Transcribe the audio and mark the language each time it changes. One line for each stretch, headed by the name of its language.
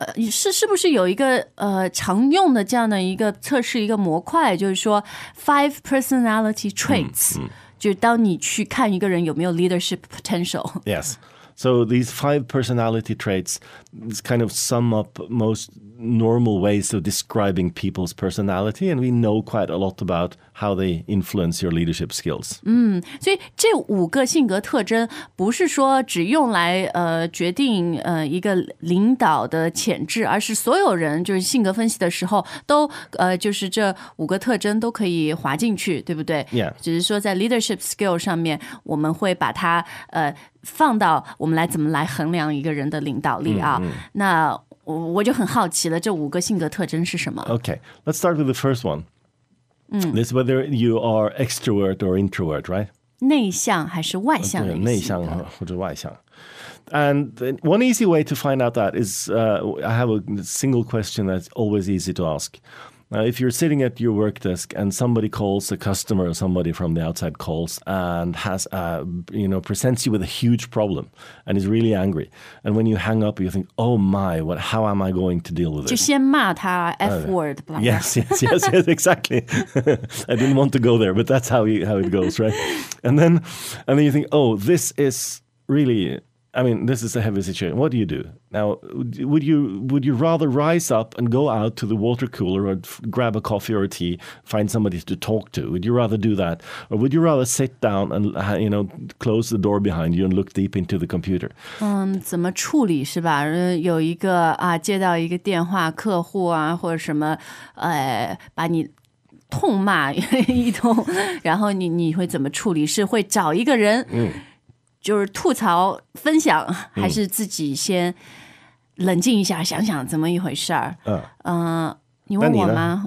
Chinese: 是不是有一个常用的这样的一个测试，一个模块，就是说 five personality traits, 就是当你去看一个人有没有 leadership potential.
English: Yes. So these five personality traits kind of sum up most normal ways of describing people's personality, and we know quite a lot about how they influence your leadership skills.
Chinese: 所以这五个性格特征不是说只用来决定一个领导的潜质，而是所有人就是性格分析的时候都就是这五个特征都可以划进去，对不对？
English: Yeah.
Chinese: 只是说在 leadership skill 上面，我们会把它放到我们来怎么来衡量一个人的领导力啊？那我就很好奇了，这五个性格特征是什么
English: ？Okay, let's start with the first one. This is whether you are extrovert or introvert, right?
Chinese: 内向还是外向类型的。内向或者外向。
English: And one easy way to find out that is, I have a single question that's always easy to ask. Now, if you're sitting at your work desk and somebody calls, a customer or somebody from the outside calls and has, you know, presents you with a huge problem and is really angry. And when you hang up, you think, oh my, what, how am I going to deal with it?
Chinese: 就先骂他 F word.
English: Yes, yes, yes, yes, exactly. I didn't want to go there, but that's how it goes, right? And then you think, oh, this is really... I mean, this is a heavy situation. What do you do? Now, would you rather rise up and go out to the water cooler or grab a coffee or a tea, find somebody to talk to? Would you rather do that? Or would you rather sit down and, you know, close the door behind you and look deep into the computer?
Chinese: 怎么处理是吧？有一个啊，接到一个电话客户啊，或者什么，把你痛骂一通，然后你会怎么处理？是会找一个人？就是吐槽分享还是自己先冷静一下想想怎么一回事儿。你问我吗？